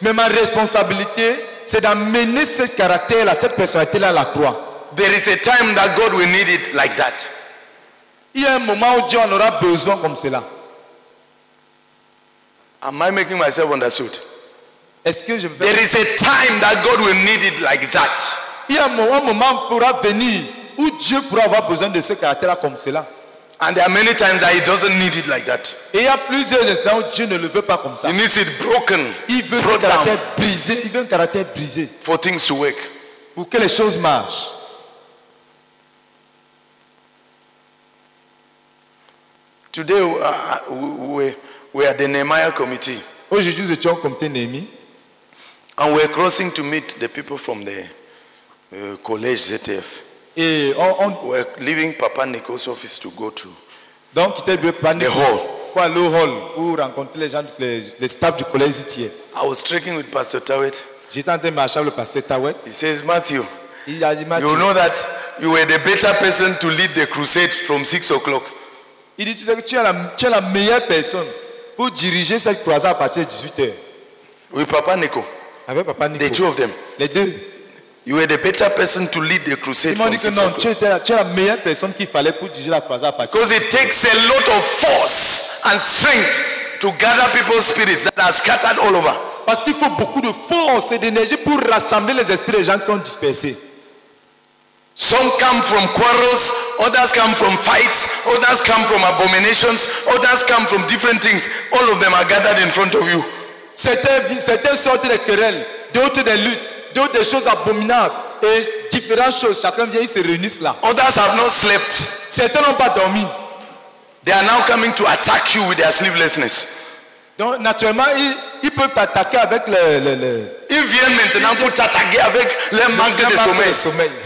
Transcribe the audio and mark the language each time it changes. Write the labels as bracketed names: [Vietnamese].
[French] Mais ma responsabilité, c'est d'amener ce caractère là, cette personnalité là à la croix. [English] There is a time that God will need it like that. [French] Il y a un moment où Dieu en aura besoin comme cela. [English] Am I making myself understood? [French] Est-ce que je vais... [English] There is a time that God will need it like that. [French] Il y a un moment pourra venir où Dieu pourra avoir besoin de ce caractère là comme cela. [English] And there are many times that he doesn't need it like that. [French] Il y a plusieurs instants où Dieu ne le veut pas comme ça. [English] He needs it broken. [French] Il veut un caractère brisé. Il veut un caractère brisé. [English] For things to work. [French] Pour que les choses marchent. [English] Today we are the Nehemiah committee. [French] Aujourd'hui, nous étions au comité Nehemie. [English] And we're crossing to meet the people from the college ZTF. [French] Et on [English] we're leaving Papa Nico's office to go to. [French] Donc, quitter le Papa Nico. [English] The hall. [French] Quoi, le hall où rencontrer les gens, les staff du collège ZTF. [English] I was trekking with Pastor Tawet. [French] J'étais en train de marcher avec le Pasteur Tawet. [English] He says, Mathew. [French] Il a dit, Mathew. [English] You know that you were the better person to lead the crusade from 6 o'clock. [French] Il dit, tu sais que tu es la meilleure personne pour diriger cette croisade à partir de 18h. Oui, Papa Nico. Avec Papa Nico. [English] The two of them. [French] Les deux. [English] You were the better person to lead the crusade. [French] Il m'a dit que non, tu es la meilleure personne qu'il fallait pour diriger la croisade à partir. [English] Because it takes a lot of force and strength to gather people's spirits that are scattered all over. [French] Parce qu'il faut beaucoup de force et d'énergie pour rassembler les esprits des gens qui sont dispersés. [English] Some come from quarrels, others come from fights, others come from abominations, others come from different things. All of them are gathered in front of you. [French] Certains sortent des querelles, d'autres des luttes, d'autres des choses abominables et différentes choses. Chacun vient, ils se réunissent là. [English] Others have not slept. [French] Certains n'ont pas dormi. [English] They are now coming to attack you with their sleeplessness. [French] Donc naturellement, ils peuvent t'attaquer avec ils viennent maintenant pour t'attaquer avec leur manque de sommeil.